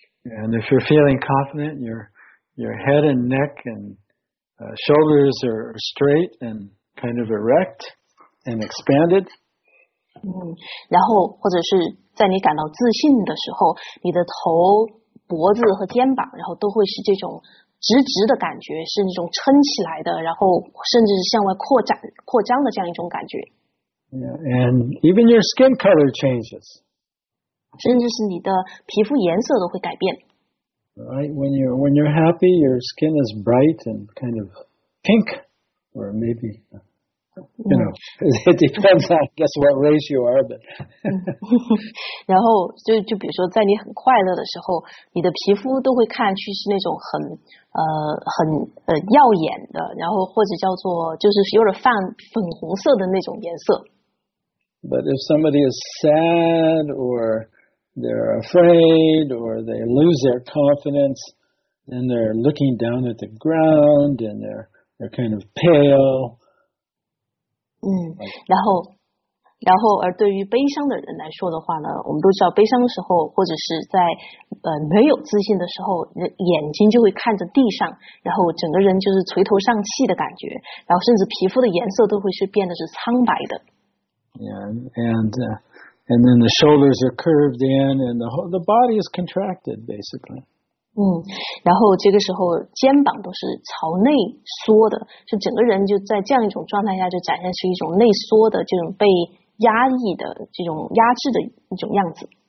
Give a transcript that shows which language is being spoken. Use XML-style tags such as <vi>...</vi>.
<en>And if you're feeling confident, your head and neck and shoulders are straight and kind of erect and expanded.</en> <zh>嗯，然后或者是在你感到自信的时候，你的头、脖子和肩膀，然后都会是这种直直的感觉，是那种撑起来的，然后甚至是向外扩张的这样一种感觉。</zh> <en>Yeah, and even your skin color changes.</en> <zh>甚至是你的皮肤颜色都会改变。</zh> <en>Right, when you're happy, your skin is bright and kind of pink, or maybe. You know, it depends on just what race you are, but.</en> <zh>然后就比如说，在你很快乐的时候，你的皮肤都会看去是那种很耀眼的，然后或者叫做就是有点泛粉红色的那种颜色。</zh> <en>But if somebody is sad or they're afraid or they lose their confidence, then they're looking down at the ground and they're kind of pale.</en> <zh>然后，而对于悲伤的人来说的话呢，我们都知道，悲伤的时候，或者是在没有自信的时候，眼睛就会看着地上，然后整个人就是垂头丧气的感觉，然后甚至皮肤的颜色都会是变得是苍白的。</zh> <en>And then the shoulders are curved in, and the body is contracted, basically.</en> <zh>然后这个时候肩膀都是朝内缩的，就整个人就在这样一种状态下，就展现出一种内缩的这种被压抑的这种压制的一种样子。</zh>